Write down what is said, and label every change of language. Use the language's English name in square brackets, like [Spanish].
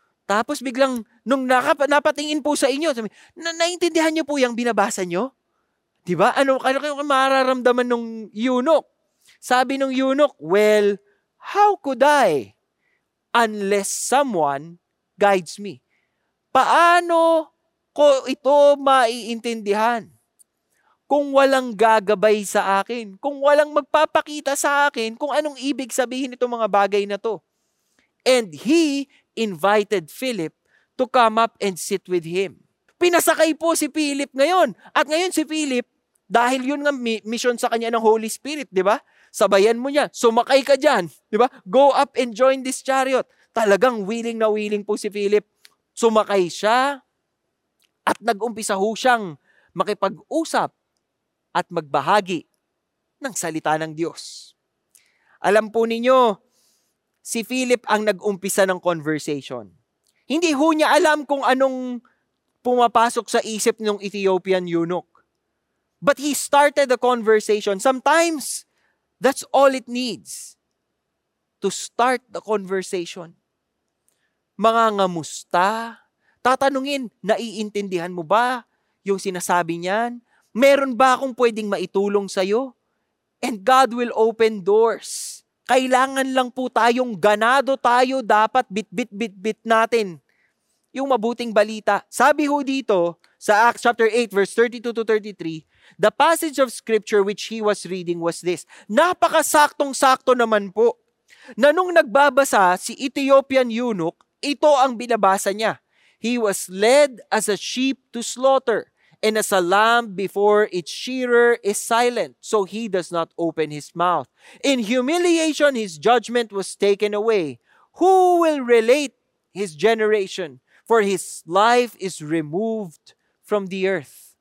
[Filipino] Tapos biglang nung napatingin po sa inyo, naiintindihan niyo po yung binabasa niyo? Diba? Ano kayong mararamdaman ng eunuch? Sabi ng eunuch, [English] well, how could I unless someone guides me? [Filipino] Paano ko ito maiintindihan? Kung walang gagabay sa akin, kung walang magpapakita sa akin, kung anong ibig sabihin itong mga bagay na to. [English] And he invited Philip to come up and sit with him. [Filipino] Pinasakay po si Philip ngayon. At ngayon si Philip, dahil yun nga mission sa kanya ng Holy Spirit, di ba? Sabayan mo niya, sumakay ka dyan, di ba? [English] Go up and join this chariot. [Filipino] Talagang willing na willing po si Philip. Sumakay siya at nag-umpisa ho siyang makipag-usap at magbahagi ng salita ng Diyos. Alam po ninyo, si Philip ang nag-umpisa ng conversation. Hindi ho niya alam kung anong pumapasok sa isip ng Ethiopian eunuch. [English] But he started the conversation. Sometimes, that's all it needs to start the conversation. [Filipino] Mga ngamusta, tatanungin, naiintindihan mo ba yung sinasabi niyan? Meron ba akong pwedeng maitulong sa'yo? [English] And God will open doors. [Filipino] Kailangan lang po tayong ganado tayo, dapat bit natin yung mabuting balita. Sabi ho dito sa [English] Acts chapter 8 verse 32 to 33, the passage of scripture which he was reading was this. [Filipino] Napakasaktong-sakto naman po na nung nagbabasa si Ethiopian eunuch, ito ang binabasa niya. [English] He was led as a sheep to slaughter and as a lamb before its shearer is silent, so he does not open his mouth. In humiliation, his judgment was taken away. Who will relate his generation, for his life is removed from the earth.